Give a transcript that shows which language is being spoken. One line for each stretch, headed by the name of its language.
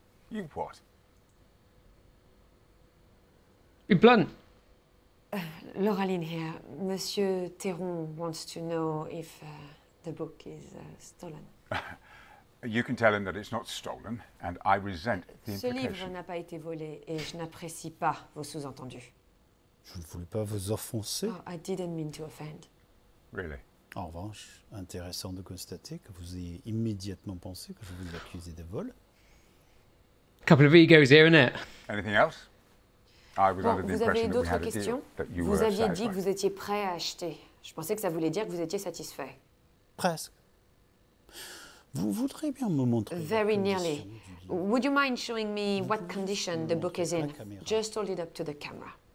English: You what? Be blunt. Laureline here. Monsieur Théron wants to know if... the book is stolen. You can tell him that it's not stolen, and I resent the implication.
French: Ce livre n'a pas été volé, et je n'apprécie pas vos sous-entendus. Je ne voulais pas vous offenser.
English: Oh, I didn't mean to offend. Really?
French: En revanche, intéressant de constater que vous ayez immédiatement pensé que je vous accusais de vol.
English: Couple of egos here, isn't it? Anything else? I was under the impression that we had a deal, that you were satisfied.
French: Vous aviez dit que vous étiez prêt à acheter. Je pensais que ça voulait dire que vous étiez satisfait. Presque. Vous voudriez bien me montrer.
English: Very nearly. Would you mind showing me what condition the book is in? Just hold it up to the camera.